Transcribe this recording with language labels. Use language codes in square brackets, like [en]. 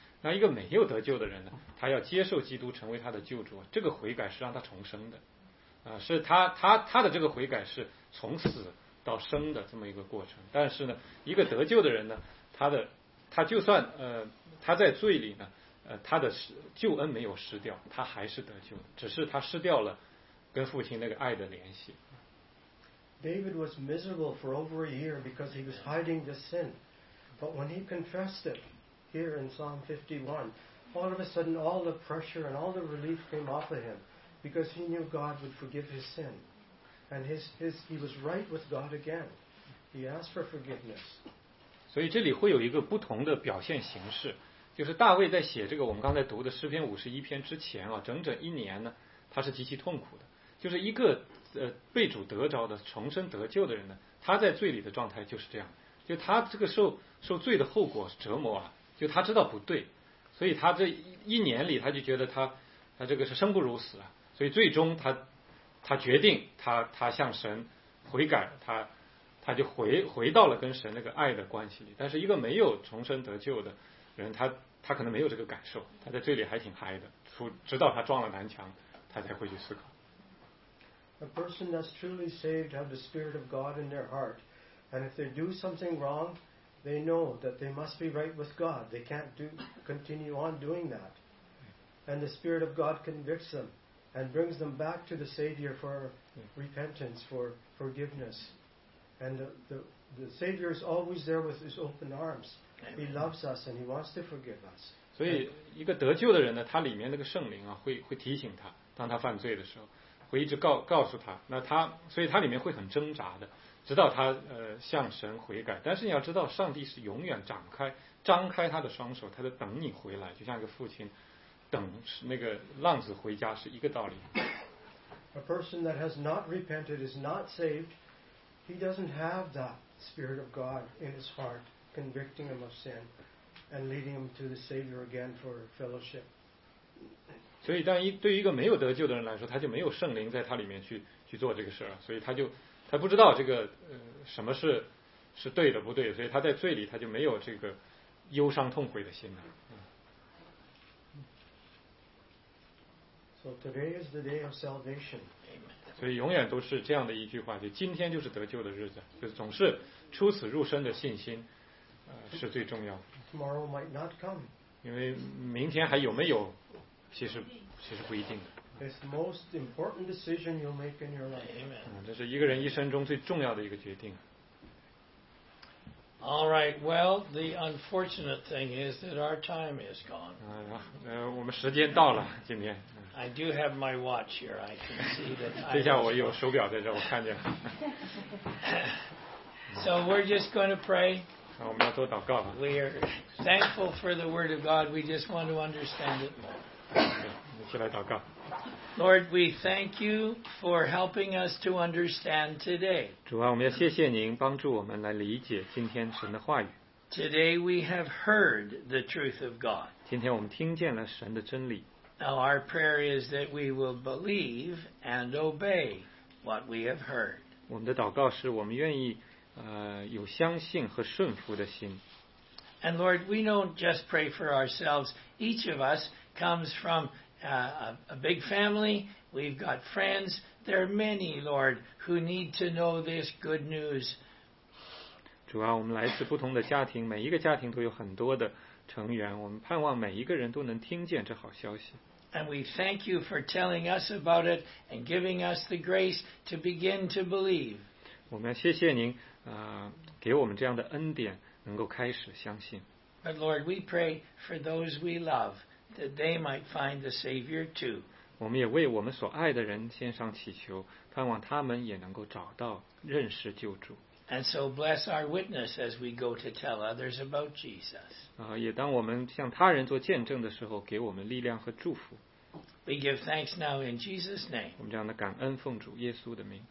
[zh] 那一个没有得救的人呢，他要接受基督成为他的救主，这个悔改是让他重生的啊，是他的这个悔改是从死到生的这么一个过程。但是呢，一个得救的人呢，他就算他在罪里呢，他的救恩没有失掉，他还是得救，只是他失掉了跟父亲那个爱的联系。 [en] David was miserable for over a year because he was hiding the sin, but when he confessed it here in Psalm 51, all of a sudden all the pressure and all the relief came off of him because he knew God would forgive his sin. And he was right with God again. He asked for forgiveness. [zh] 所以这里会有一个不同的表现形式，就是大卫在写这个我们刚才读的诗篇五十一篇之前啊，整整一年呢，他是极其痛苦的。就是一个被主得着的重生得救的人呢，他在罪里的状态就是这样，就他这个受罪的后果折磨啊，就他知道不对，所以他这一年里他就觉得他这个是生不如死啊，所以最终他决定他向神悔改，他就回到了跟神那个爱的关系里。但是一个没有重生得救的人，他可能没有这个感受，他在这里还挺嗨的，直到他撞了南墙他才会去思考。 [en] A person that's truly saved have the spirit of God in their heart, and if they do something wrong, they know that they must be right with God. They can't continue on doing that. And the Spirit of God convicts them and brings them back to the Savior for repentance, for forgiveness. And the Savior is always there with his open arms. He loves us and he wants to forgive us. [zh] 所以一个得救的人呢，他里面那个圣灵啊，会提醒他，当他犯罪的时候，会一直告诉他。那他，所以他里面会很挣扎的，直到他向神悔改。但是你要知道，上帝是永远张开他的双手，他在等你回来，就像一个父亲等那个浪子回家是一个道理。 [en] A person that has not repented is not saved. He doesn't have the Spirit of God in his heart, convicting him of sin. And leading him to the Savior again for fellowship. [zh] 所以，但对于一个没有得救的人来说，他就没有圣灵在他里面去做这个事儿，所以他不知道这个什么是对的不对，所以他在罪里他就没有这个忧伤痛悔的心了。 [en] So today is the day of salvation. [zh] 所以永远都是这样的一句话，就今天就是得救的日子，就是总是出此入生的信心是最重要的。 [en] Tomorrow might not come. [zh] 因为明天还有没有，其实不一定的。 [en] It's the most important decision you'll make in your life. Amen. [zh] 这是一个人一生中最重要的一个决定。 [en] All right. Well, the unfortunate thing is that our time is gone. [zh] 我们时间到了，今天。 [en] I do have my watch here. I can see that. [zh] 等下我有手表在这，我看见。 [en] So we're just going to pray. [zh] 我们要多祷告。 [en] We are thankful for the Word of God. We just want to understand it more. [zh] 我们来祷告。 [en] Lord, we thank you for helping us to understand today. [zh] 主啊，我们要谢谢您帮助我们来理解今天神的话语。 [en] Today we have heard the truth of God. [zh] 今天我们听见了神的真理。 [en] Now our prayer is that we will believe and obey what we have heard. [zh] 我们的祷告是我们愿意。有相信和顺服的心。 [en] And Lord, we don't just pray for ourselves. Each of us comes from a big family. We've got friends. There are many, Lord, who need to know this good news. [zh] 主啊，我们来自不同的家庭，每一个家庭都有很多的成员。我们盼望每一个人都能听见这好消息。 [en] And we thank you for telling us about it and giving us the grace to begin to believe. [zh] 我们谢谢您。给我们这样的恩典能够开始相信。 [en] But Lord, we pray for those we love that they might find the Savior too. [zh] 我们也为我们所爱的人献上祈求，盼望他们也能够找到认识救主。 [en] And so bless our witness as we go to tell others about Jesus. [zh] 也当我们向他人做见证的时候，给我们力量和祝福。 [en] We give thanks now in Jesus' name. [zh] 我们这样的感恩奉主耶稣的名。